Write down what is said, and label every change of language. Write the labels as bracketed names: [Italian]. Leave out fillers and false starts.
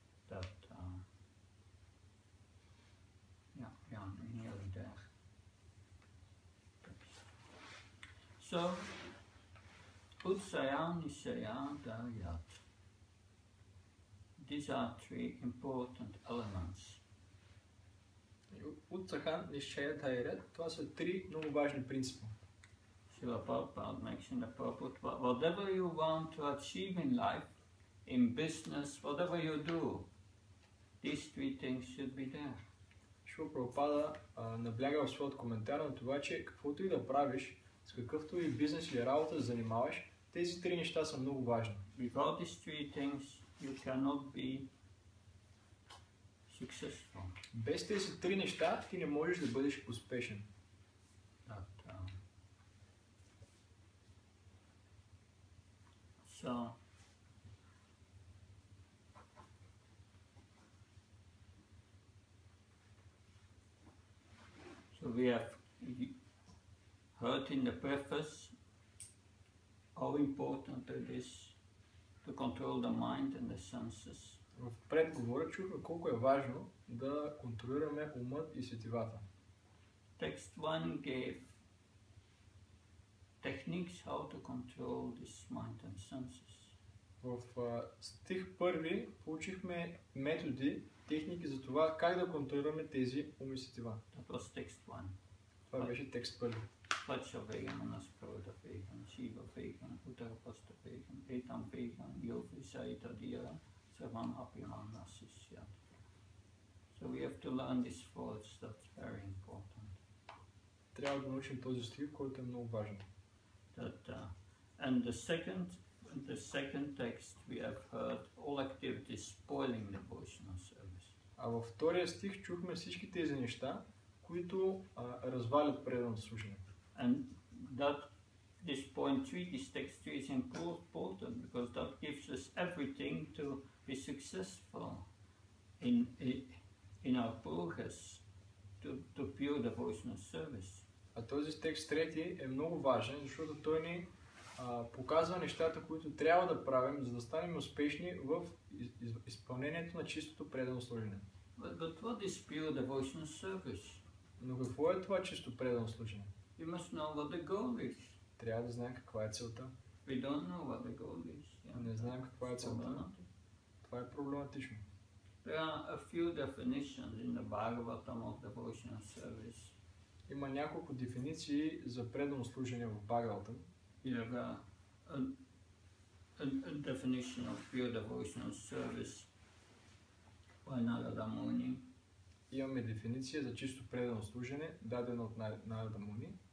[English] That nearly there. Oops. So Utsaya Nisaya Daryat. These are 3 important elements. [Bulgarian] Utsaha Nishaya Daryat, това са 3 много важни принципа. [English] Srila Prabhupada makes in the purport, whatever you want to achieve in life, in business, whatever you do. these three things should be there. [Bulgarian] Шрила Прабхупада набляга в своят коментар на това, че каквото и да правиш, с какъвто и бизнес или работа занимаваш, тези три неща са много важни. [English] Without these three things, you cannot be successful. [Bulgarian] Без тези три неща, ти не можеш да бъдеш успешен. [English] So, we have heard in the preface how important it is to control the mind and the senses. [Bulgarian] В предговора чухме колко е важно да контролираме умът и сетивата. [English] Text 1 gave techniques how to control this mind and senses. [Bulgarian] В стих 1 получихме методи, техники за това как да контролираме тези ум и сетива. [English] That was text 1. [Bulgarian] Това беше текст първи. [Sanskrit] Пача Веган, Анас Правата Веган, Шива Веган, Утара Паста Веган, Етан Веган, Йови Саита Дира, Саван Апиман Асисият. [English] So we have to learn this verse, that's very important. [Bulgarian] Трябва да научим този стих, който е много важен. [English] That, and the second text we have heard, all activities spoiling devotional service. [Bulgarian] А във втория стих чухме всички тези неща, които развалят преданото служение. [English] And that this point 3, this text 3 is important because that gives us everything to be successful in our progress to pure devotional service. [Bulgarian] А този текст 3 е много важен, защото той ни показва нещата, които трябва да правим, за да станем успешни в изпълнението на чистото предано служение. [English] But what is pure devotional service? [Bulgarian] Но какво е това чисто предано служение? [English] You must know what the goal is. [Bulgarian] Трябва да знаем каква е целта. [English] We don't know what the goal is. [Bulgarian] Не знаем каква е целта. Това е проблематично. [English] There are a few definitions in the Bhagavatam of devotional service. [Bulgarian] Има няколко дефиниции за предано служение в Бхагаватам. [English] There are a definition of pure devotional service by Narada Muni. [Bulgarian] Имаме дефиниция за чисто предано служене, дадено от Нарада Муни.